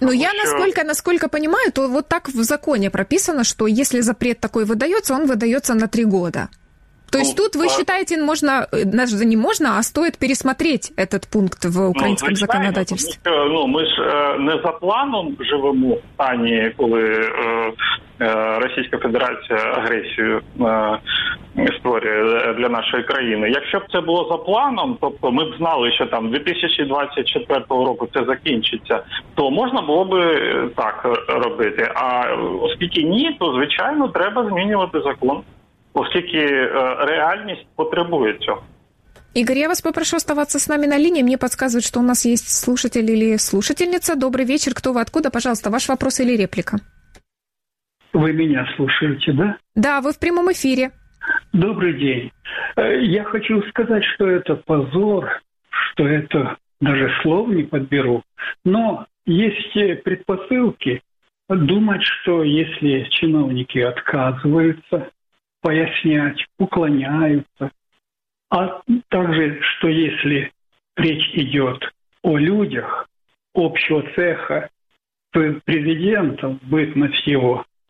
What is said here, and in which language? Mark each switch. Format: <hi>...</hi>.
<uk>Ну, я наскільки розумію, то от так в законі прописано, що якщо запрет такий видається, він видається на 3 роки.</uk> <ru>То есть тут, ну, вы считаете, можно, даже не можно, а стоит пересмотреть этот пункт в украинском, ну, законодательстве? Потому что, ну, мы ж</ru> <uk>не за планом живемо, а не коли Російська Федерація агресію створює для нашої країни. Якщо б це було за планом, тобто ми б знали, що там 2024 року це закінчиться, то можна було б так робити. А оскільки ні, то, звичайно, треба змінювати закон. Оскільки реальність потребує цього. Ігор, я вас попрошу</uk> <ru>оставаться</ru> <uk>з нами на лінії. Мені підказують, що у нас є</uk> <ru>слушатель или слушательница.</ru> <uk>Добрий вечір. Хто ви,</uk> <ru>откуда? Пожалуйста, ваш вопрос или реплика.</ru> <uk>Ви мене слушаєте, да? Да, ви в прямому ефірі.</uk> <ru>Добрый день. Я хочу сказать, что это позор, что это даже слов не подберу. Но есть предпосылки думать, что если чиновники отказываются пояснять, уклоняются, а также, что если речь идет о людях общего цеха, президентом, бытность его</ru>